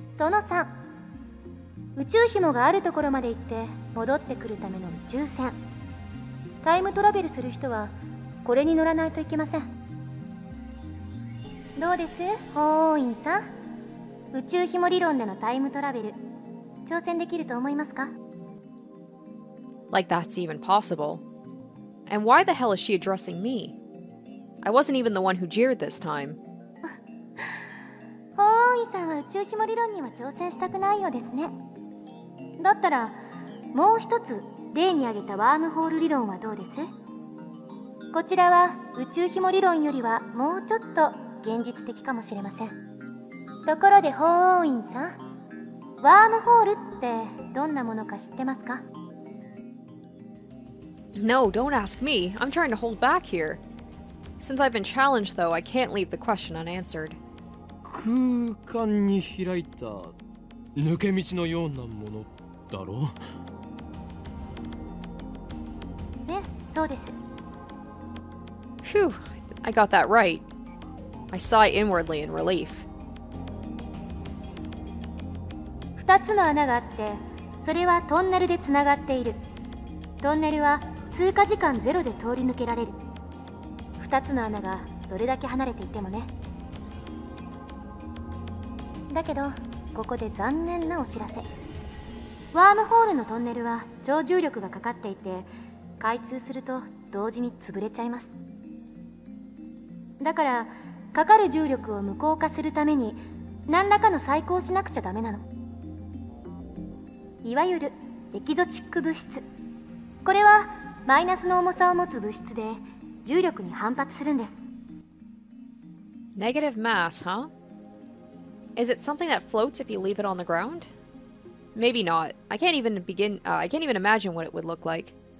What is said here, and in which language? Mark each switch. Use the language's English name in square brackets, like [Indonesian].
[Japanese] その3、宇宙紐があるところまで行って戻ってくるための宇宙船。タイムトラベルする人はこれに乗らないといけません。どうです、鳳凰院さん。宇宙紐理論でのタイムトラベル、挑戦できると思いますか？ [English] Like that's even possible. And why the hell is she addressing me? I wasn't even the one who jeered this time. [Japanese] 鳳凰院さんは宇宙紐理論には挑戦したくないようですね。だったら、もう一つ例に挙げたワームホール理論はどうです？こちらは宇宙紐理論よりはもうちょっと現実的かもしれません。ところで鳳凰院さん、ワームホールってどんなものか知ってますか？ [English] No, don't ask me. I'm trying to hold back here. Since I've been challenged, though, I can't leave the question unanswered. [Japanese] 空間に開いた抜け道のようなもの。だろね、そうです。 [English] Phew, I got that right. I sigh inwardly in relief. [Japanese] 二つの穴があって、それはトンネルでつながっている。トンネルは通過時間ゼロで通り抜けられる。二つの穴がどれだけ離れていてもね。だけど、ここで残念なお知らせ。ワームホールのトンネルは超重力がかかっていて、開通すると同時に潰れちゃいます。だから、かかる重力を無効化するために、何らかの細工をしなくちゃダメなの。いわゆるエキゾチック物質。これはマイナスの重さを持つ物質で、重力に反発するんです。 [English] Negative mass, huh? Is it something that floats if you leave it on the ground? Maybe not. I can't even imagine what it would look like.